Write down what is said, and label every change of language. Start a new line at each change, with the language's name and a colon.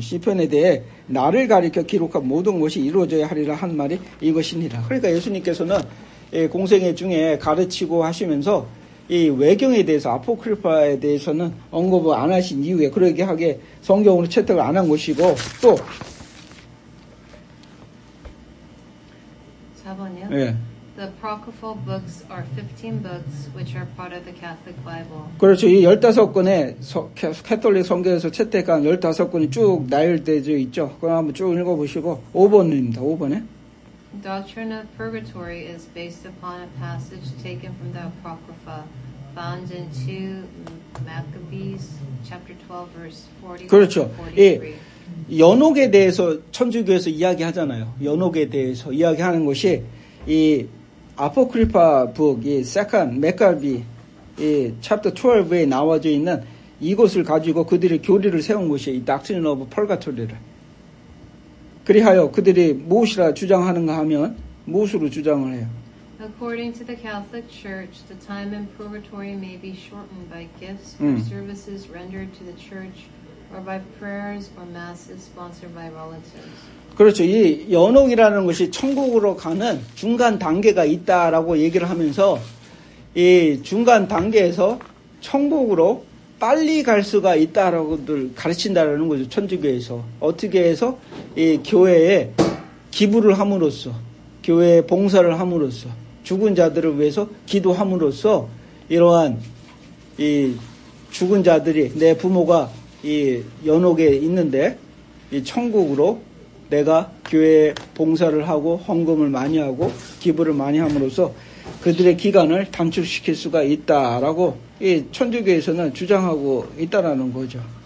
Korean: 시편에 대해 나를 가리켜 기록한 모든 것이 이루어져야 하리라 한 말이 이것이니라. 그러니까 예수님께서는 공생애 중에 가르치고 하시면서 이 외경에 대해서 아포크리파에 대해서는 언급을 안 하신 이유에 그렇게 하게 성경으로 채택을 안 한 것이고 또 4번이요? 네.
English: The apocryphal books are 15 books which are part of the Catholic Bible.
Korean: 그렇죠. 이 15권의 캐톨릭 성경에서 채택한 15권이 쭉 나열되어 있죠. 그럼 한번 쭉 읽어보시고 5번입니다. 5번에
English: Doctrine of Purgatory is based upon a passage taken from the Apocrypha found in 2 Maccabees chapter 12 verse 41.
Korean: 그렇죠. 이 연옥에 대해서 천주교에서 이야기하잖아요. 연옥에 대해서 이야기하는 것이 이 아포크리파 북, 이 세컨 메카비 이 챕터 12에 나와져 있는 이것을 가지고 그들이 교리를 세운 것이 이 닥트린 오브 펄가토리를 그리하여 그들이 무엇이라 주장하는가 하면 무엇으로 주장을 해요?
English: According to the Catholic Church, the time in purgatory may be shortened by gifts or services rendered to the church or by prayers or masses sponsored by relatives.
Korean: 그렇죠. 이 연옥이라는 것이 천국으로 가는 중간 단계가 있다라고 얘기를 하면서 이 중간 단계에서 천국으로 빨리 갈 수가 있다라고들 가르친다라는 거죠. 천주교에서. 어떻게 해서 이 교회에 기부를 함으로써 교회에 봉사를 함으로써 죽은 자들을 위해서 기도함으로써 이러한 이 죽은 자들이 내 부모가 이 연옥에 있는데 이 천국으로 내가 교회에 봉사를 하고 헌금을 많이 하고 기부를 많이 함으로써 그들의 기간을 단축시킬 수가 있다라고 이 천주교에서는 주장하고 있다라는 거죠.